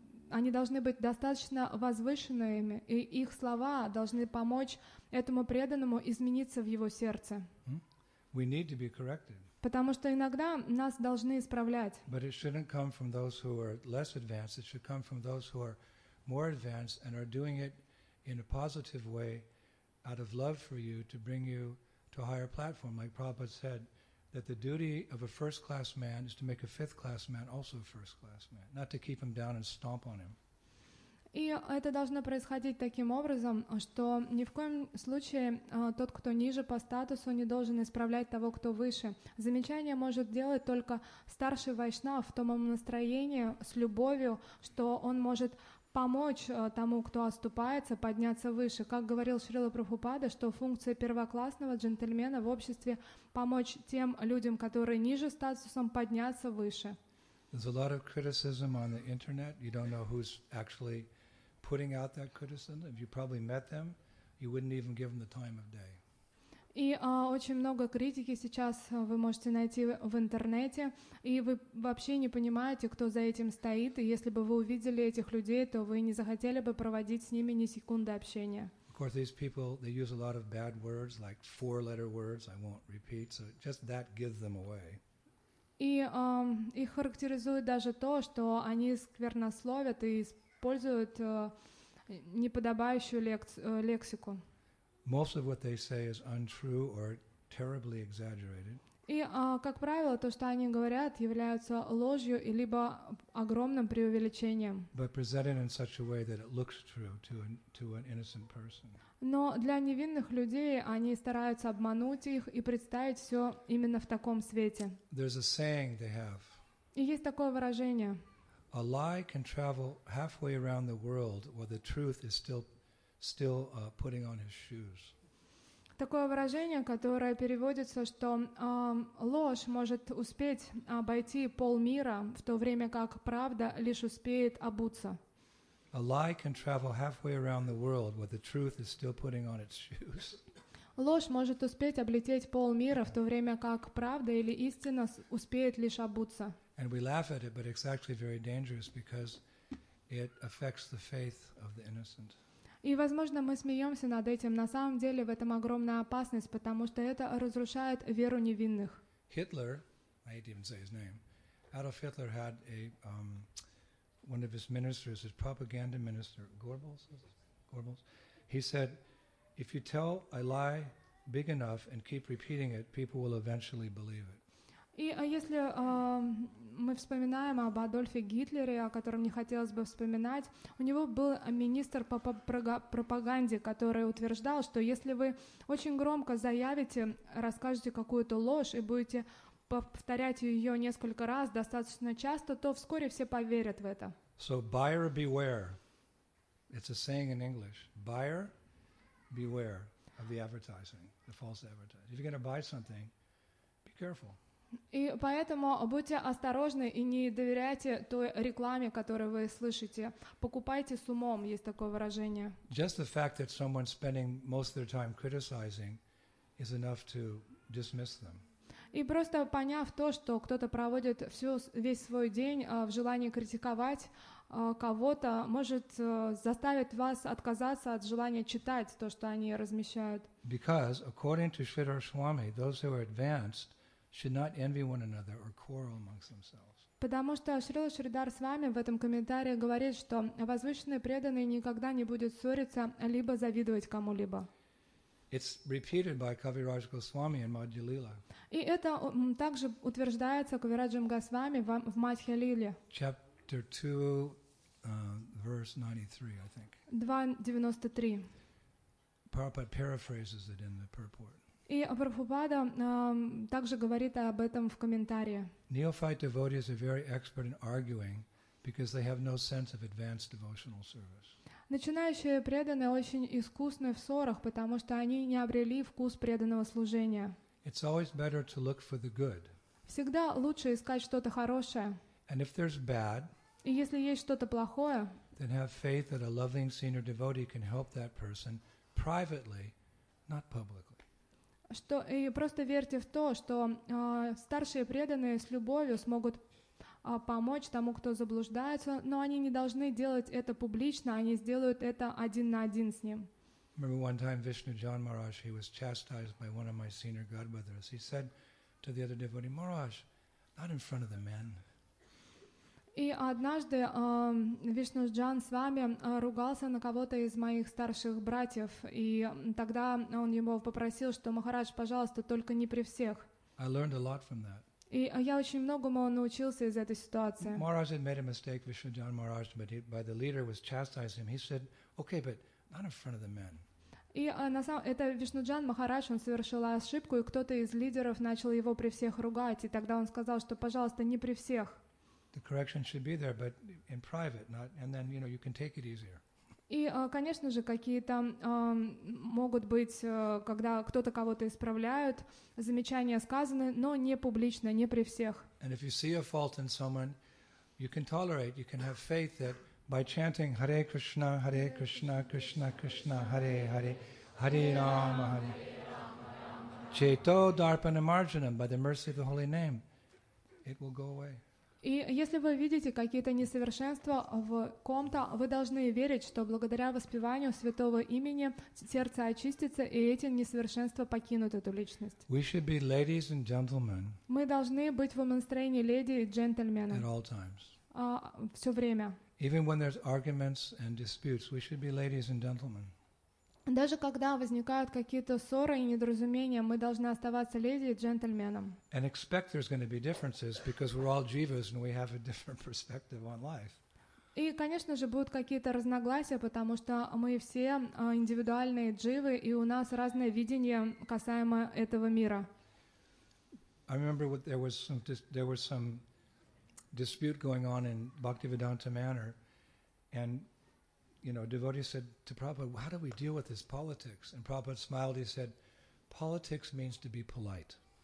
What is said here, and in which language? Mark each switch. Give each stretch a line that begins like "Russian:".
Russian: Они должны быть достаточно возвышенными, и их слова должны помочь этому преданному измениться в его сердце.
English: We need to be corrected.
Russian: Потому что иногда нас должны исправлять.
English: But it shouldn't come from those who are less advanced. It should come from those who are more advanced and are doing it in a positive way out of love for you to bring you to a higher platform. Like Prabhupada said, that the duty of a first-class man is to make a fifth-class man also a first-class man, not to keep him down and stomp on him.
Russian: И это должно происходить таким образом, что ни в коем случае тот, кто ниже по статусу, не должен исправлять того, кто выше. Замечание может делать только старший вайшнав в том настроении, с любовью, что он может помочь тому, кто оступается, подняться выше. Как говорил Шрила Прабхупада, что функция первоклассного джентльмена в обществе — помочь тем людям, которые ниже статусом, подняться выше.
English: There's a lot of criticism on the internet. You don't know who's actually putting out that criticism. If you probably met them, you wouldn't even give them the time of day.
Russian: И очень много критики сейчас вы можете найти в интернете, и вы вообще не понимаете, кто за этим стоит, и если бы вы увидели этих людей, то вы не захотели бы проводить с ними ни секунды общения.
English: Of course, these people, they use a lot of bad words, like four-letter words, I won't repeat, so just that gives them away.
Russian: И их характеризует даже то, что они сквернословят и используют неподобающую лексику.
English: Most of what they say is untrue or terribly exaggerated.
Russian: И, как правило, то, что они говорят, являются ложью либо огромным преувеличением.
English: But presented in such a way that it looks true to an innocent person.
Russian: Но для невинных людей они стараются обмануть их и представить все именно в таком свете.
English: There's a saying they have.
Russian: И есть такое выражение.
English: A lie can travel halfway around the world while the truth is still putting on his shoes.
Russian: Такое выражение, которое переводится, что ложь может успеть обойти полмира, в то время как правда лишь успеет обуться.
English: A lie can travel halfway around the world while the truth is still putting on its shoes.
Russian: Ложь может успеть облететь полмира, в то время как правда или истина успеет лишь обуться.
English: And we laugh at it, but it's actually very dangerous because it affects the faith of the innocent.
Russian: И, возможно, мы смеемся над этим. На самом деле в этом огромная опасность, потому что это разрушает веру невинных.
English: Hitler, I hate to even say his name, Adolf Hitler had one of his ministers, his propaganda minister, Goebbels, he said, if you tell a lie big enough and keep repeating it, people will eventually believe it.
Russian: И если мы вспоминаем об Адольфе Гитлере, о котором не хотелось бы вспоминать, у него был министр по пропаганде, который утверждал, что если вы очень громко заявите, расскажете какую-то ложь и будете повторять ее несколько раз достаточно часто, то вскоре все поверят в это.
English: So buyer beware. It's a saying in English. Buyer beware of the advertising, the false advertising. If you're going to buy something, be careful.
Russian: И поэтому будьте осторожны и не доверяйте той рекламе, которую вы слышите. Покупайте с умом, есть такое выражение.
English: Just the fact that someone's spending most of their time criticizing is enough to dismiss them.
Russian: И просто поняв то, что кто-то проводит весь свой день в желании критиковать кого-то, может заставить вас отказаться от желания читать то, что они размещают.
English: Because, according to Sridhar Swami, those who are advanced should not envy one another or quarrel amongst themselves.
Russian: Потому что Шрила Шридхар с вами в этом комментарии говорит, что возвышенный преданный никогда не будет ссориться либо завидовать кому-либо.
English: It's repeated by Kaviraj Goswami in Madhya Lila.
Russian: И это также утверждается Кавираджем Госвами в Мадхья Лиле.
English: Chapter 2, verse 93, I think. 2:93. Prabhupada paraphrases it in the purport.
Russian: И Прабхупада также говорит об этом в комментарии.
English: Neophyte devotees are very expert in arguing because they have no sense of advanced devotional service.
Russian: Начинающие преданные очень искусны в ссорах, потому что они не обрели вкус преданного служения.
English: It's always better to look for the good.
Russian: Всегда лучше искать что-то хорошее.
English: And if there's bad,
Russian: и если есть что-то плохое,
English: then have faith that a loving senior devotee can help that person privately, not publicly.
Russian: Что, и просто верьте в то, что старшие преданные с любовью смогут помочь тому, кто заблуждается, но они не должны делать это публично, они сделают это один на один с ним.
English: Remember one time Vishnu John Maharaj, he was chastised by one of my senior godbrothers. He said to the other devotee, Maharaj, not in front of the men.
Russian: И однажды Вишну Джан с вами ругался на кого-то из моих старших братьев, и тогда он ему попросил, что «Махарадж, пожалуйста, только не при всех».
English: I learned a lot from that.
Russian: И я очень многому научился из этой ситуации.
English: Maharaj had made a mistake, Vishnu Jan Maharaj, but the leader was chastising him. He said, okay, but not in front of the men.
Russian: И это Вишнуджан Махарадж, он совершил ошибку, и кто-то из лидеров начал его при всех ругать, и тогда он сказал, что «пожалуйста, не при всех».
English: The correction should be there, but in private, not, and then, you know, you can take it easier.
Russian: И, конечно же, какие-то могут быть, когда кто-то кого-то исправляют, замечания сказаны, но не публично, не при всех.
English: And if you see a fault in someone, you can tolerate, you can have faith that by chanting Hare Krishna, Hare Krishna, Krishna Krishna, Hare Hare, Hare Rama, Hare Rama,
Sanskrit: Cheto Dharpana Marjanam,
English: by the mercy of the Holy Name, it will go away.
Russian: И если вы видите какие-то несовершенства в ком-то, вы должны верить, что благодаря воспеванию святого имени сердце очистится, и эти несовершенства покинут эту личность.
English: We should be ladies and gentlemen.
Russian: Мы должны быть в умом настроении леди и джентльмена.
English: At all times.
Russian: Все время.
English: Even when there's arguments and disputes, we should be ladies and gentlemen.
Russian: Даже когда возникают какие-то ссоры и недоразумения, мы должны оставаться леди и джентльменом.
English: And expect there's going to be differences because we're all jivas and we have a different perspective on life.
Russian: И, конечно же, будут какие-то разногласия, потому что мы все индивидуальные дживы, и у нас разное видение касаемо этого мира.
English: I remember what there was some dispute going on in Bhaktivedanta Manor, and you know, a devotee said to Prabhupada, how do we deal with this politics? And Prabhupada smiled, he said, politics means to be polite.